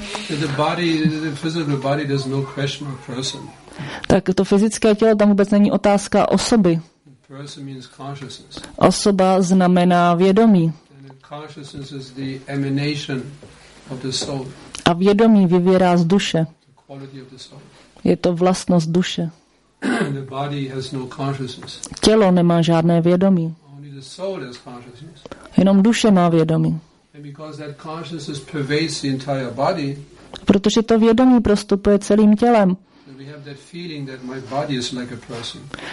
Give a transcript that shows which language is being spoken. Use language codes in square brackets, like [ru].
[en] The body, the physical body, there's no question of person. [cs] Tak to fyzické tělo, tam vůbec není otázka osoby. [en] Person means consciousness. [cs] Osoba znamená vědomí. [en] And consciousness is the emanation of the soul. [cs] A vědomí vyvírá z duše. [en] The quality of the soul. [cs] Je to vlastnost duše. [en] The body has no consciousness. [cs] Tělo nemá žádné vědomí. [en] The soul has consciousness. [cs] Jenom duše má vědomí. [en] And because that consciousness pervades the entire body, [cs] protože to vědomí prostupuje celým tělem. [en] We have that feeling that my body is like a person.